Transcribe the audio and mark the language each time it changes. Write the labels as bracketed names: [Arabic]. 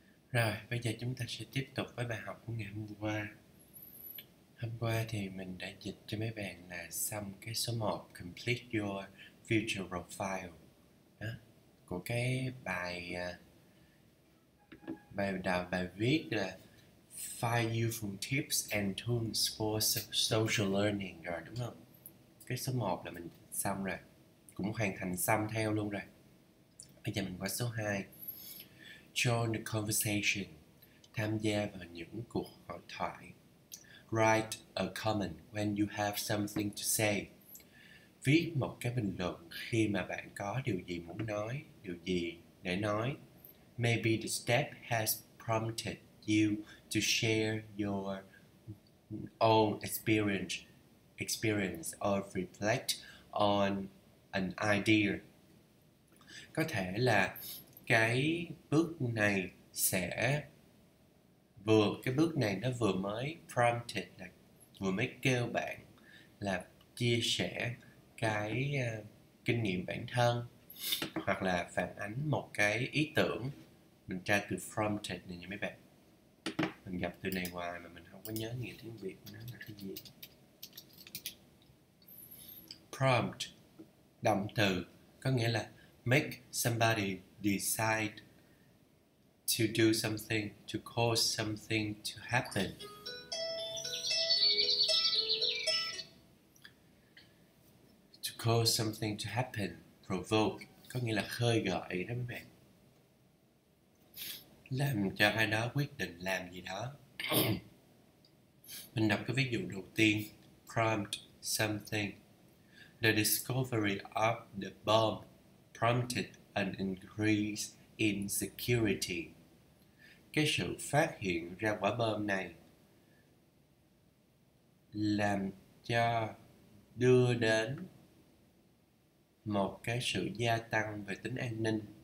[Vietnamese] Rồi, bây giờ chúng ta sẽ tiếp tục với bài học của ngày hôm qua. Hôm qua thì mình đã dịch cho mấy bạn là xong cái số 1 [English] Complete Your Future Profile [Vietnamese] đó, của cái bài bài đầu bài viết là [English] Five Useful Tips and Tools for Social Learning [Vietnamese] rồi, đúng không? Cái số 1 là mình xong rồi, cũng hoàn thành xong theo luôn rồi. Bây giờ mình qua số 2. [English] Join the conversation. [Vietnamese] Tham gia vào những cuộc hội thoại. [English] Write a comment when you have something to say. [Vietnamese] Viết một cái bình luận khi mà bạn có điều gì muốn nói, điều gì để nói. [English] Maybe the step has prompted you to share your own experience or reflect on an idea. [Vietnamese] Có thể là cái bước này sẽ vừa cái bước này nó vừa mới prompted, là vừa mới kêu bạn là chia sẻ cái kinh nghiệm bản thân, hoặc là phản ánh một cái ý tưởng. Mình tra từ prompted này nha mấy bạn, mình gặp từ này hoài mà mình không có nhớ nghĩa tiếng Việt nó là cái gì. [English] Prompt, [Vietnamese] động từ, có nghĩa là [English] make somebody decide to do something, to cause something to happen. To cause something to happen, provoke, [Vietnamese] có nghĩa là khơi gợi đó mấy bạn. Làm cho ai đó quyết định làm gì đó. Mình đọc cái ví dụ đầu tiên, prompt something. [English] The discovery of the bomb prompted an increase in security. [Vietnamese] Cái sự phát hiện ra quả bom này làm cho đưa đến một cái sự gia tăng về tính an ninh.